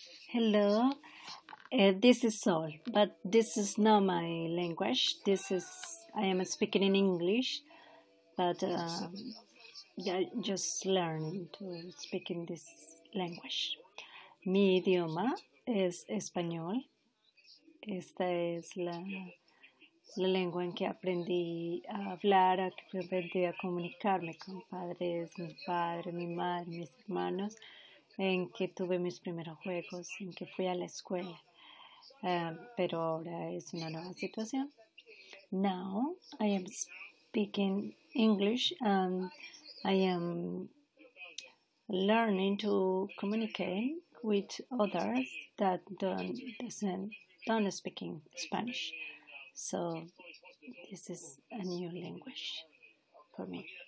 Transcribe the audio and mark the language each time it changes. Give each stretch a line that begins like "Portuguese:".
English: Hello, this is Sol, but this is not my language. This is, I am speaking in English, but yeah, just learning to speak in this language.
Spanish: Mi idioma es español. Esta es la lengua en que aprendí a hablar, a que aprendí a comunicarme con padres, mi padre, mi madre, mis hermanos, en que tuve mis primeros juegos, en que fui a la escuela. Pero ahora es una nueva situación.
English: Now I am speaking English and I am learning to communicate with others that don't speak Spanish. So this is a new language for me.